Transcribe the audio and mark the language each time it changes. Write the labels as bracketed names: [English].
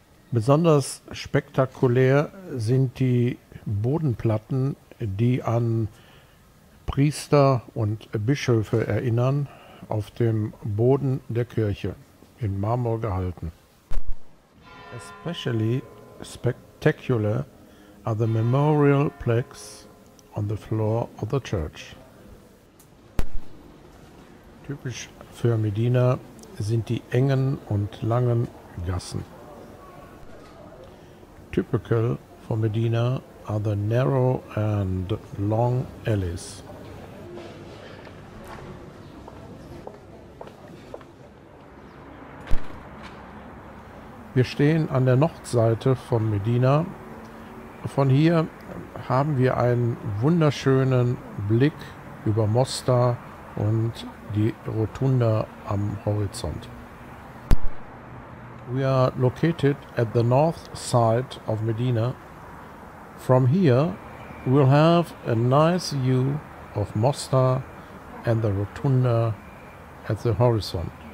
[German] Besonders spektakulär sind die Bodenplatten, die an Priester und Bischöfe erinnern, auf dem Boden der Kirche, in Marmor gehalten. [English] Especially spectacular are the memorial plaques on the floor of the church. [German] Typisch für Medina sind die engen und langen Gassen. [English] Typical for Medina are the narrow and long alleys. [German] Wir stehen an der Nordseite von Medina. Von hier haben wir einen wunderschönen Blick über Mostar und die Rotunda am Horizont. [English] We are located at the north side of Medina. From here, we'll have a nice view of Mostar and the Rotunda at the horizon.